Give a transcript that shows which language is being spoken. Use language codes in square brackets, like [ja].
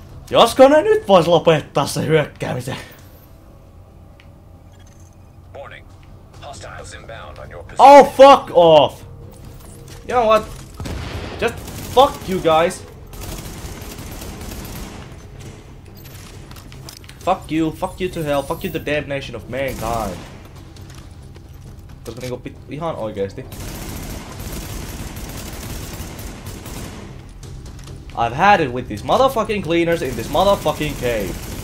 [fi] Josko ne nyt vois lopettaa se hyökkäämisen? [en] Morning. Hostiles inbound on your position. Oh fuck off! You know what? Just fuck you guys! Fuck you to hell, fuck you to the damnation of mankind. [fi] Koska niinku ihan oikeesti. [en] I've had it with these motherfucking cleaners in this motherfucking cave.